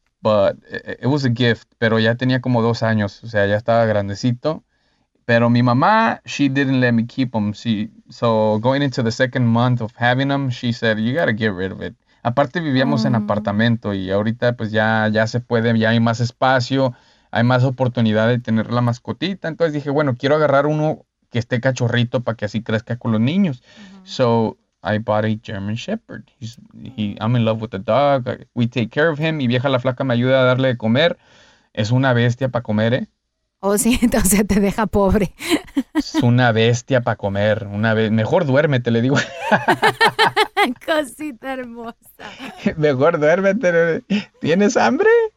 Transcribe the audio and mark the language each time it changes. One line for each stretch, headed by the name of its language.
English: But it was a gift,
Spanish: pero ya tenía como 2 años, o sea, ya estaba grandecito. Pero mi mamá,
English: she didn't let me keep him. So going into the second month of having him, she said, you gotta get rid of it.
Spanish: Aparte vivíamos en apartamento y ahorita pues ya se puede, ya hay más espacio, hay más oportunidad de tener la mascotita. Entonces dije, bueno, quiero agarrar uno que esté cachorrito para que así crezca con los niños. Mm-hmm.
English: So I bought a German Shepherd. I'm in love with the dog. We take care of him.
Spanish: Mi vieja la flaca me ayuda a darle de comer. Es una bestia para comer, ¿eh? Oh, sí, entonces te deja pobre. Es una bestia para comer. Mejor duérmete, le digo. Cosita hermosa. Mejor duérmete. ¿Tienes hambre?